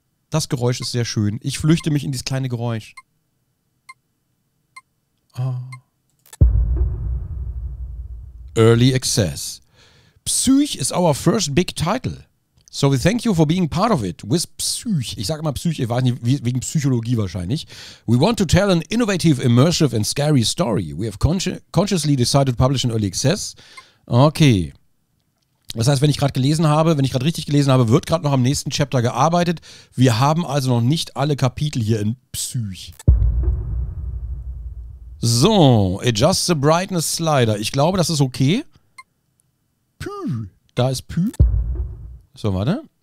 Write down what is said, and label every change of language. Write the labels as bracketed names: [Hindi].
[German] Das Geräusch ist sehr schön. Ich flüchte mich in dieses kleine Geräusch. Ah. [English] Early Access. Psych is our first big title. So we thank you for being part of it. With Psych. [German] Ich sage immer Psych, ich weiß nicht, wegen Psychologie wahrscheinlich. [English] We want to tell an innovative, immersive and scary story. We have consciously decided to publish in Early Access. Okay. [German] Das heißt, wenn ich gerade gelesen habe, wenn ich gerade richtig gelesen habe, wird gerade noch am nächsten Chapter gearbeitet. Wir haben also noch nicht alle Kapitel hier in Psych. So, [English] adjust the brightness slider. [German] Ich glaube, das ist okay. Pü. Da ist Pü. So, warte.